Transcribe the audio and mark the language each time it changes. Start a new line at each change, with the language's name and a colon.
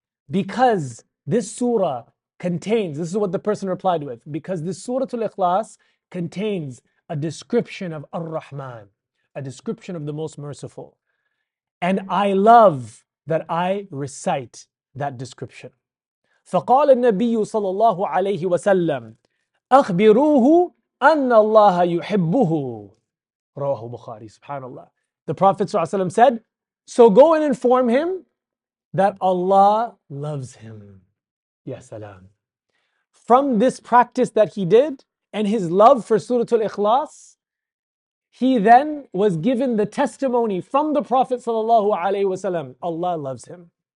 English: Because this surah contains, this is what the person replied with, because this surah al-Ikhlas contains a description of Ar-Rahman, a description of the Most Merciful. And I love that I recite that description.
Arabic: فقال النبي صلى الله عليه وسلم أخبروه أن الله يحبه رواه البخاري سبحان الله.
English: The Prophet صلى الله عليه وسلم said, so go and inform him that Allah loves him.
Arabic: Ya salam.
English: From this practice that he did and his love for Surah Al-Ikhlas, he then was given the testimony from the Prophet sallallahu alaihi wasallam, Allah loves him.